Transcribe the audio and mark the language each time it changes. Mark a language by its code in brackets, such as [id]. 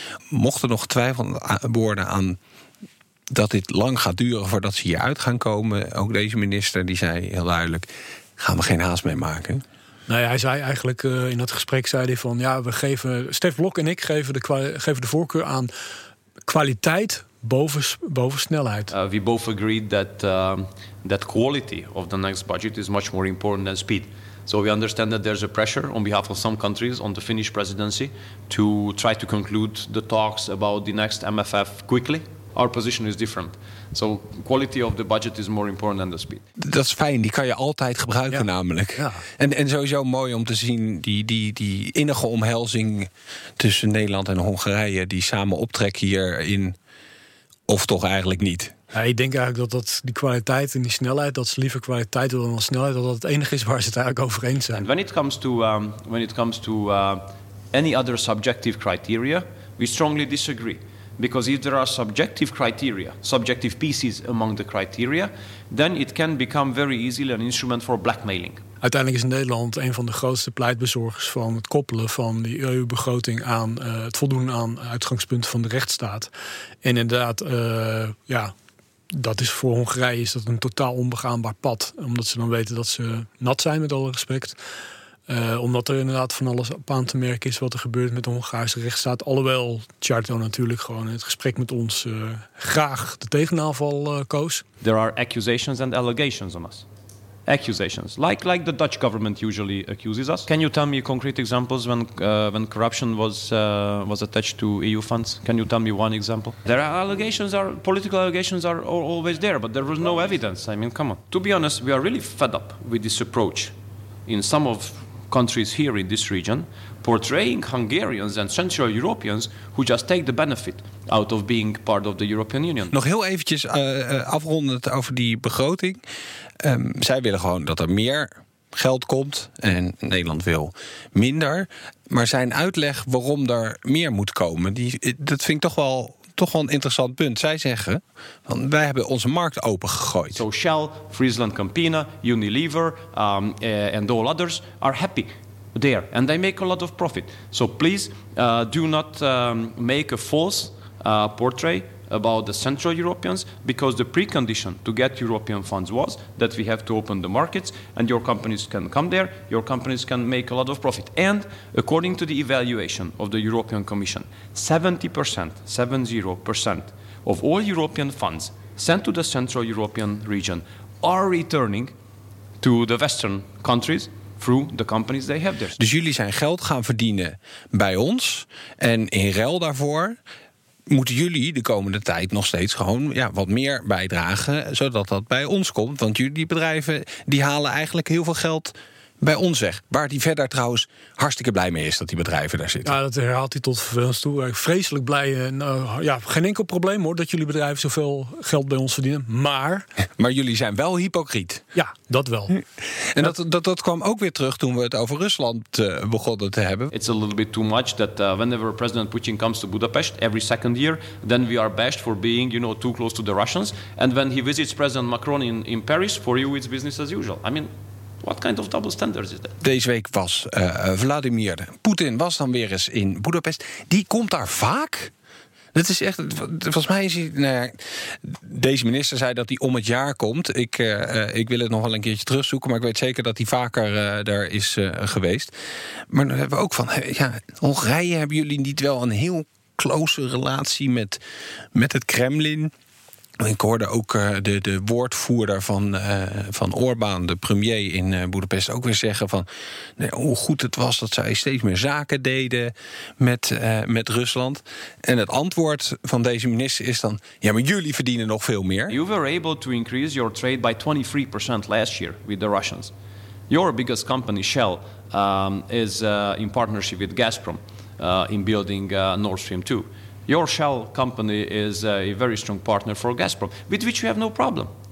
[nl] Mocht er nog twijfel worden aan dat dit lang gaat duren voordat ze hieruit gaan komen. Ook deze minister die zei heel duidelijk, gaan we geen haast mee maken. Nou ja, hij zei eigenlijk in dat gesprek, zei hij van, ja, we geven, Stef Blok en ik geven de voorkeur aan kwaliteit boven snelheid. [en] We both agreed that that quality of the next budget is much more important than speed. So we understand that there's a pressure on behalf of some countries on the Finnish presidency to try to conclude the talks about the next MFF quickly. Our position is different. So quality of the budget is more important than the speed. [nl] Dat is fijn, die kan je altijd gebruiken, ja. Namelijk. Ja. En sowieso mooi om te zien die innige omhelzing tussen Nederland en Hongarije, die samen optrekken hierin, of toch eigenlijk niet. Ja, ik denk eigenlijk dat die kwaliteit en die snelheid, dat ze liever kwaliteit willen dan snelheid, dat het enige is waar ze het eigenlijk over eens zijn. [en] When it comes to any other subjective criteria, we strongly disagree. Because if there are subjective criteria, subjective pieces among the criteria, then it can become very easily an instrument for blackmailing. [nl] Uiteindelijk is Nederland een van de grootste pleitbezorgers van het koppelen van die EU-begroting aan het voldoen aan uitgangspunten van de rechtsstaat. En inderdaad, ja, dat is voor Hongarije is dat een totaal onbegaanbaar pad. Omdat ze dan weten dat ze nat zijn, met alle respect. Omdat er inderdaad van alles op aan te merken is wat er gebeurt met de Hongaarse rechtsstaat. Alhoewel Csarto natuurlijk gewoon in het gesprek met ons graag de tegenaanval koos. [en] There are accusations and allegations on us. Accusations. Like the Dutch government usually accuses us. Can you tell me concrete examples when corruption was attached to EU funds? Can you tell me one example? There are allegations, political allegations are always there, but there was no evidence. I mean, come on. To be honest, we are really fed up with this approach. In some of countries here in this region, portraying Hungarians and Central Europeans who just take the benefit out of being part of the European Union. [nl] Nog heel eventjes afrondend over die begroting. Zij willen gewoon dat er meer geld komt en Nederland wil minder. Maar zijn uitleg waarom er meer moet komen, dat vind ik toch wel een interessant punt. Zij zeggen, wij hebben onze markt open gegooid. [en] So Shell, Friesland Campina, Unilever and all others are happy there. And they make a lot of profit. So please do not make a false portrait about the Central Europeans. Because the precondition to get European funds was that we have to open the markets. And your companies can come there. Your companies can make a lot of profit. And according to the evaluation of the European Commission, 70% of all European funds sent to the Central European region are returning to the Western countries through the companies they have there. [nl] Dus jullie zijn geld gaan verdienen bij ons. En in ruil daarvoor moeten jullie de komende tijd nog steeds gewoon wat meer bijdragen, zodat dat bij ons komt. Want jullie bedrijven die halen eigenlijk heel veel geld bij ons weg. Waar hij verder trouwens hartstikke blij mee is dat die bedrijven daar zitten. Ja, dat herhaalt hij tot vervelend toe. Vreselijk blij. Geen enkel probleem hoor dat jullie bedrijven zoveel geld bij ons verdienen. Maar... maar jullie zijn wel hypocriet. Ja, dat wel. En dat kwam ook weer terug toen we het over Rusland begonnen te hebben. [en] It's a little bit too much that whenever President Putin comes to Budapest every second year, then we are bashed for being, you know, too close to the Russians. And when he visits President Macron in Paris, for you it's business as usual. I mean, what kind of double standards is that? [nl] Deze week was Vladimir Poetin was dan weer eens in Boedapest. Die komt daar vaak. Dat is echt. Volgens mij is hij. Nou ja, deze minister zei dat hij om het jaar komt. Ik wil het nog wel een keertje terugzoeken, maar ik weet zeker dat hij vaker daar is geweest. Maar dan hebben we ook van. Ja, Hongarije, hebben jullie niet wel een heel close relatie met het Kremlin? Ik hoorde ook de woordvoerder van Orbán, de premier in Boedapest, ook weer zeggen van nee, hoe goed het was dat zij steeds meer zaken deden met Rusland. En het antwoord van deze minister is dan ja, maar jullie verdienen nog veel meer. [en] You were able to increase your trade by 23% last year with the Russians. Your biggest company, Shell, is in partnership with Gazprom in building Nord Stream 2. Your Shell company is a very strong partner for Gazprom, with which you have no problem.